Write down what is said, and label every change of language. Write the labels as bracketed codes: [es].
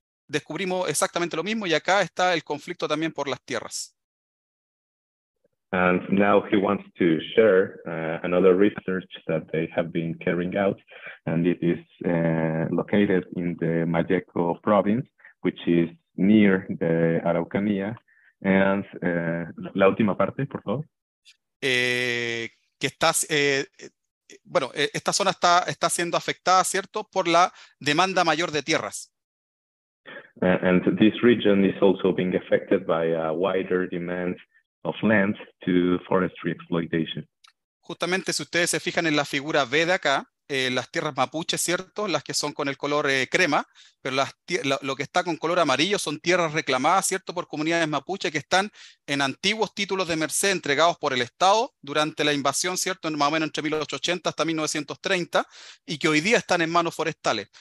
[es] descubrimos exactamente lo mismo, y acá está el conflicto también por las tierras. [en] And now he wants to share another research that they have been carrying out, and it is located in the Malleco province, which is near the Araucanía. [es] And la última parte, por favor. Que estás, bueno, esta zona está siendo afectada, ¿cierto?, por la demanda mayor de tierras. [en] And this region is also being affected by a wider demand of land to forestry exploitation. [es] Justamente, si ustedes se fijan en la figura B de acá, las tierras mapuche, ¿cierto?, las que son con el color crema, pero lo que está con color amarillo son tierras reclamadas, ¿cierto?, por comunidades mapuche que están en antiguos títulos de merced entregados por el Estado durante la invasión, ¿cierto?, más o menos entre 1880 hasta 1930, y que hoy día están en manos forestales.